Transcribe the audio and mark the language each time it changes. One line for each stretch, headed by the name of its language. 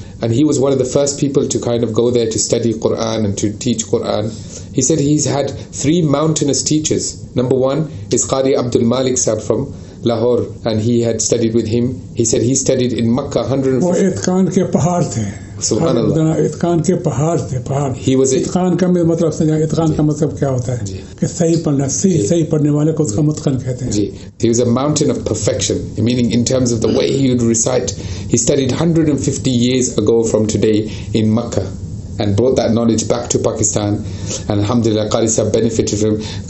English: And he was one of the first people to kind of go there to study Qur'an and to teach Qur'an. He said he's had three mountainous teachers. Number one is Qari Abdul Malik Sahib from Lahore, and he had studied with him. He said he studied in Makkah 150...
Urdu: وہ اتقان کے پہاڑ تھے. سبحان اللہ, اتقان کے پہاڑ تھے, پہاڑ.
English: He was a...
Urdu: اتقان کا مطلب سے جائیں, اتقان کا مطلب کیا ہوتا ہے کہ صحیح پڑھنا, صحیح پڑھنے والے کو اس کا متقن کہتے ہیں.
English: He was a mountain of perfection, meaning in terms of the way he would recite. He studied 150 years ago from today in Makkah and brought that knowledge back to Pakistan, and alhamdulillah Qari Sahib benefited from him.